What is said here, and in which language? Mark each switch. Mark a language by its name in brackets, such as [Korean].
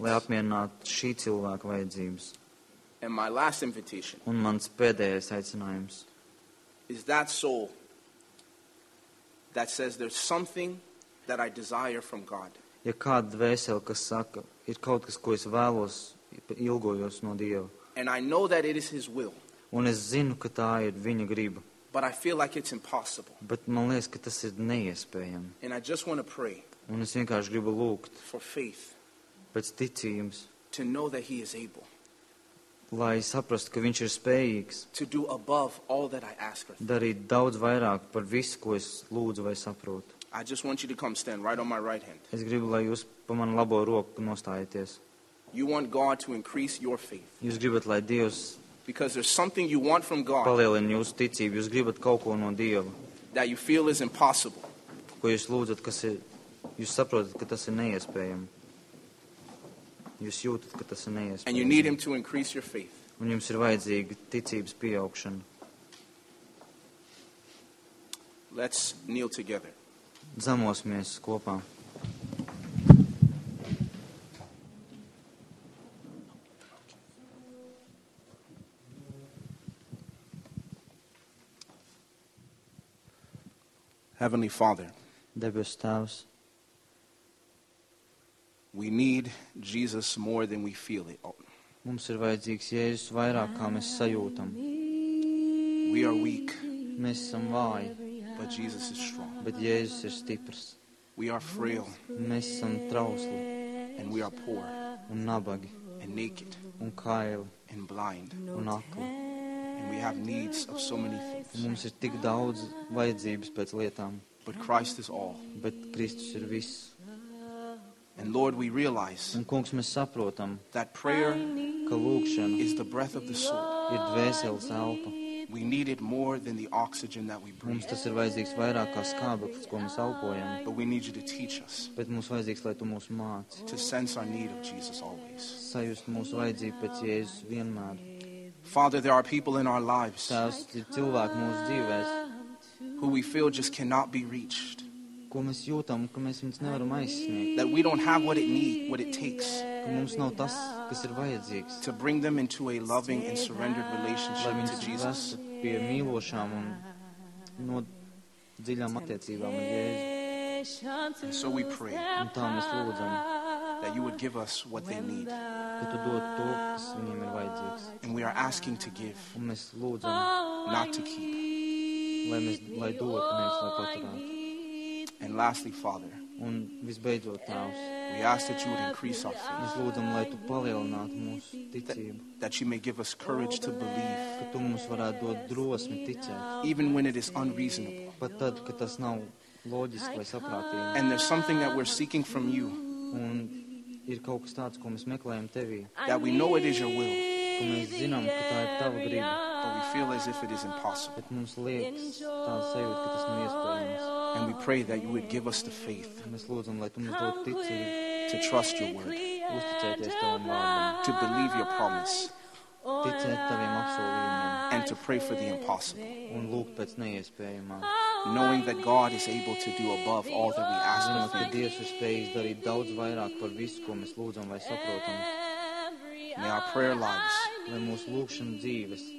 [Latvian] Lai apmierinātu šī cilvēka vajadzības. [English] And my last invitation. [Latvian] Un mans pēdējais aicinājums. [English] Is that soul that says there's something that I desire from God. [Latvian] Ja kāda dvēsele, kas saka, ir kaut kas, ko es vēlos, ilgojos no Dieva. [English] And I know that it is his will. [Latvian] Un es zinu, ka tā ir viņa griba. [English] But I feel like it's impossible. [Latvian] Bet man liekas, ka tas ir neiespējami. [English] And I just want to pray. [Latvian] Un es vienkārši gribu lūgt. [English] For faith. [Latvian] Pēc ticības. [English] To know that he is able. [Latvian] Lai saprastu, ka viņš ir spējīgs. [English] To do above all that I ask for. [Latvian] Darīt daudz vairāk par visu, ko es lūdzu vai saprotu. [English] I just want you to come stand right on my right hand. [Latvian] Es gribu, lai jūs pa manu labo roku nostājieties. [English] You want God to increase your faith. [Latvian] Jūs gribat, lai Dievs [English] because there's something you want from God. [Latvian] Palielin jūsu ticību, jūs gribat kaut ko no Dieva. [English] That you feel is impossible. [Latvian] Ko jūs lūdzat, kas ir jūs saprotat, ka tas ir neiespējami. Jūs jūtat, ka tas ir neiespējami. [English] And you need him to increase your faith. [Latvian] Un jums ir vajadzīga ticības pieaugšana. [English] Let's kneel together. [Latvian] Zamosimies kopā. [English] Heavenly Father. [Latvian] Debesu Tēvs. [English] We need Jesus more than we feel it. [Latvian] Mums ir vajadzīgs Jēzus vairāk, kā mēs sajūtam. [English] We are weak. [Latvian] Mēs esam vāji. [English] But Jesus is strong. [Latvian] Bet Jēzus ir stiprs. [English] We are frail. [Latvian] Mēs esam trausli. [English] And we are poor. [Latvian] Un nabagi. [English] And naked. [Latvian] Un kaili. [English] And blind. [Latvian] Un akli. [English] And we have needs of so many things. [Latvian] Mums ir tik daudz vajadzības pēc lietām. [English] But Christ is all. [Latvian] Bet Kristus ir viss. [English] And Lord, we realize. [Latvian] Un Kungs, mēs saprotam. [English] That prayer, [Latvian] ka lūkšana, [English] is the breath of the soul. [Latvian] Ir dvēseles elpa. [English] We need it more than the oxygen that we breathe. [Latvian] Mums tas ir vajadzīgs vairāk kā skābeklis, ko mēs elpojam. [English] But we need you to teach us. [Latvian] Bet mums vajadzīgs, lai tu mūs māci. [English] To sense our need of Jesus always. [Latvian] Sajust mūsu vajadzību pēc Jēzus vienmēr. [English] Father, there are people in our lives [Latvian] tās, cilvēki mūsu dzīvēs, [English] who we feel just cannot be reached. [Latvian] Ko mēs jūtam, ka mēs viņus nevaram aizsniegt. [English] That we don't have what it need, what it takes. [Latvian] Ka mums nav tas, kas ir vajadzīgs. [English] To bring them into a loving and surrendered relationship [Latvian] lai [English] to Jesus. [Latvian] Pie mīlošām un no dziļām attiecībām ar Jēzu. [English] And so we pray. [Latvian] Un tā mēs lūdzam. [English] That you would give us what they need. [Latvian] Ka tu dod to, kas viņiem ir vajadzīgs. [English] And we are asking to give. [Latvian] Un mēs lūdzam. [English] Not to keep. [Latvian] Lai mēs, lai dod, mēs lai paturāt. [English] And lastly, Father. [Latvian] Un visbeidzot, Tēvs. [English] We ask that you would increase our faith. [Latvian] Mēs lūdzam, lai tu palielinātu mūsu ticību. [English] That you may give us courage to believe. [Latvian] Ka tu mums varētu dot drosmi ticēt. [English] Even when it is unreasonable. [Latvian] Pat tad, ka tas nav loģiski vai saprātīgi. [English] And there's something that we're seeking from you. [Latvian] Un ir kaut kas tāds, ko mēs meklējam tevī. [English] That we know it is your will. [Latvian] Ka mēs zinām, ka tā ir tava griba. [English] But we feel as if it is impossible. [Latvian] Bet mums liekas tā sajūta, ka tas nav iespējams. [English] And we pray that you would give us the faith. [Latvian] Mēs lūdzam, lai tu mums dod ticību. [English] To trust your word. [Latvian] Uzticēties tavam vārdam. [English] To believe your promise. and to pray for the impossible. [Latvian] Un lūkt pēc neiespējamā. [English] Knowing that God is able to do above all that we ask of Him. [Latvian] Dievs ir spējīgs darīt daudz vairāk par visu, ko mēs lūdzam vai saprotam. [English] May our prayer lives, [Latvian] lai mūsu lūkšanas dzīves,